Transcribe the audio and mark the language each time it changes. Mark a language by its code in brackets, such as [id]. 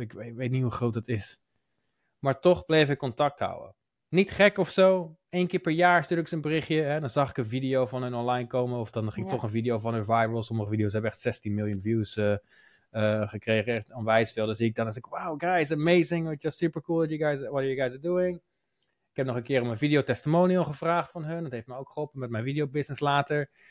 [nl] Ik weet niet hoe groot het is. Maar toch bleef ik contact houden. Niet gek of zo. 1 keer per jaar stuur ik ze een berichtje. Hè. Dan zag ik een video van hun online komen. Of dan ging toch een video van hun viral. Sommige video's hebben echt 16 miljoen views gekregen. Echt onwijs veel. Dan zie ik dan. Dan zeg ik, [en] wow guys, amazing. It's just super cool that you guys, what you guys are doing. [nl] Ik heb nog een keer om een video testimonial gevraagd van hun. Dat heeft me ook geholpen met mijn video business later.